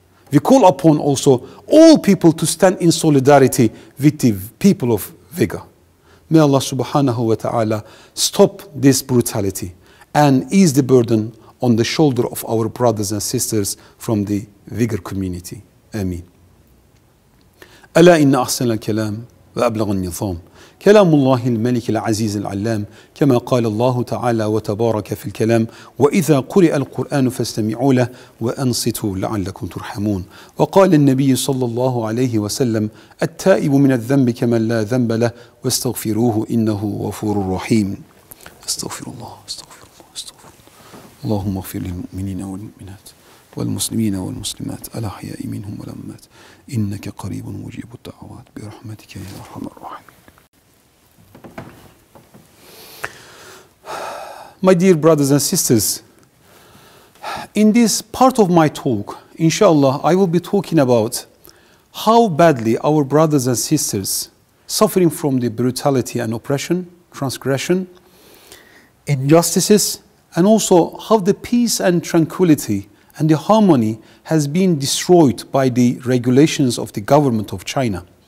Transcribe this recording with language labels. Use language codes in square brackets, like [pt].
[en] We call upon also all people to stand in solidarity with the people of Uyghur. May Allah subhanahu wa ta'ala stop this brutality and ease the burden on the shoulder of our brothers and sisters from the Uyghur community. [ar] Ameen. Ala inna ahsan al-kalam wa ablagha an-nizam. كلام الله الملك العزيز العلام كما قال الله تعالى وتبارك في الكلام وإذا قرئ القرآن فاستمعوا له وأنصتوا لعلكم ترحمون وقال النبي صلى الله عليه وسلم التائب من الذنب كمن لا ذنب له واستغفروه إنه غفور رحيم استغفر الله استغفر الله استغفر الله اللهم اغفر للمؤمنين والمؤمنات والمسلمين والمسلمات الأحياء منهم والأموات إنك قريب مجيب الدعوات برحمتك يا أرحم الراحمين. [en] My dear brothers and sisters, in this part of my talk, inshallah, I will be talking about how badly our brothers and sisters suffering from the brutality and oppression, transgression, injustices, and also how the peace and tranquility and the harmony has been destroyed by the regulations of the government of China.